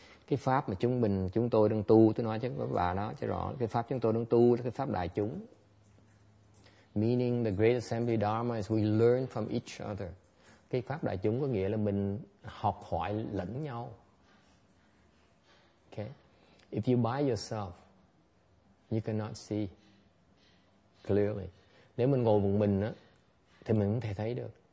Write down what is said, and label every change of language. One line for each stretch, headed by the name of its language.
Vietnamese: Cái pháp mà chúng tôi đang tu, tôi nói cho bà đó cho rõ, cái pháp chúng tôi đang tu là cái pháp đại chúng.
English: Meaning the Great Assembly Dharma is we learn from each other.
Vietnamese: Cái pháp đại chúng có nghĩa là mình học hỏi lẫn nhau.
English: Okay. If you by yourself, you cannot see clearly.
Vietnamese: Nếu mình ngồi một mình á, thì mình không thể thấy được.